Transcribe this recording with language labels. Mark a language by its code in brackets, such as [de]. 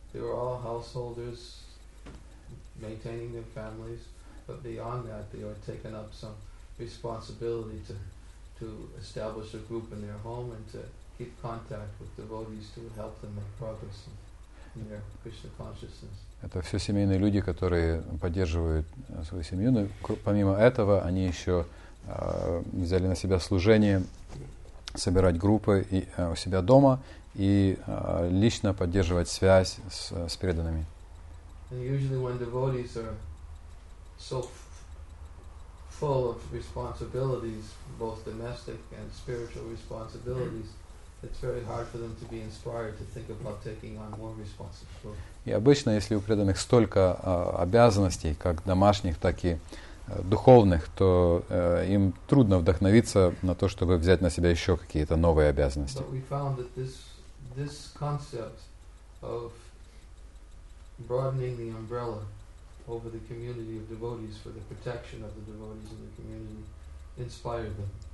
[en] They were all householders, maintaining their families, but beyond that, they are taking up some responsibility to establish a group in their home and to keep contact with devotees to help them make progress in their Krishna consciousness. [ru] Это все семейные люди, которые поддерживают свою семью. Но помимо этого, они еще взяли на себя служение собирать группы у себя дома и лично поддерживать связь с преданными. [en] And usually when devotees are so full of responsibilities, both domestic and spiritual responsibilities, it's very hard for them to be inspired to think about taking on more responsibility. [ru] И обычно, если у преданных столько обязанностей, как домашних, так и духовных, то им трудно вдохновиться на то, чтобы взять на себя еще какие-то новые обязанности. [en] But we found that this concept of broadening the umbrella over the community of devotees for the protection of the devotees in the community inspired them.